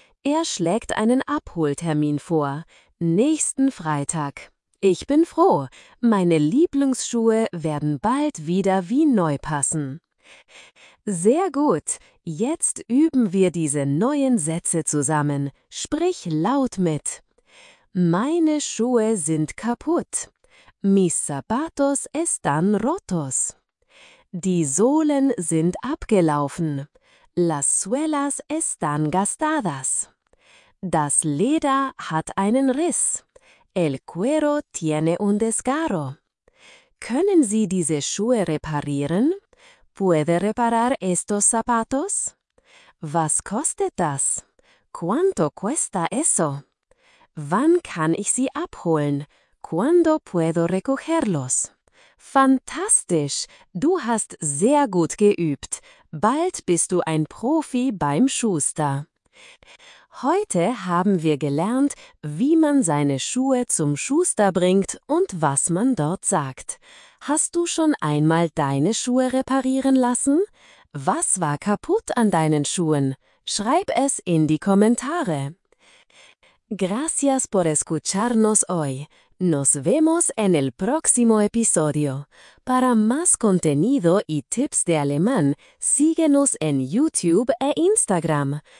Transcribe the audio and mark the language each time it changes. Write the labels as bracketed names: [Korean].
[German] Er schlägt einen Abholtermin vor. Nächsten Freitag. Ich bin froh. Meine Lieblingsschuhe werden bald wieder wie neu passen. Sehr gut. Jetzt üben wir diese neuen Sätze zusammen. Sprich laut mit. Meine Schuhe sind kaputt. [Spanish] Mis zapatos están rotos. [German] Die Sohlen sind abgelaufen. [Spanish] Las suelas están gastadas. [German] Das Leder hat einen Riss. [Spanish] El cuero tiene un desgarro. [German] Können Sie diese Schuhe reparieren? [Spanish] ¿Puede reparar estos zapatos? [German] Was kostet das? [Spanish] ¿Cuánto cuesta eso? [German] Wann kann ich sie abholen? [Spanish] ¿Cuándo puedo recogerlos? [German] Fantastisch! Du hast sehr gut geübt. Bald bist du ein Profi beim Schuster. Heute haben wir gelernt, wie man seine Schuhe zum Schuster bringt und was man dort sagt. Hast du schon einmal deine Schuhe reparieren lassen? Was war kaputt an deinen Schuhen? Schreib es in die Kommentare. [Spanish] Gracias por escucharnos hoy. Nos vemos en el próximo episodio. Para más contenido y tips de alemán, síguenos en YouTube e Instagram.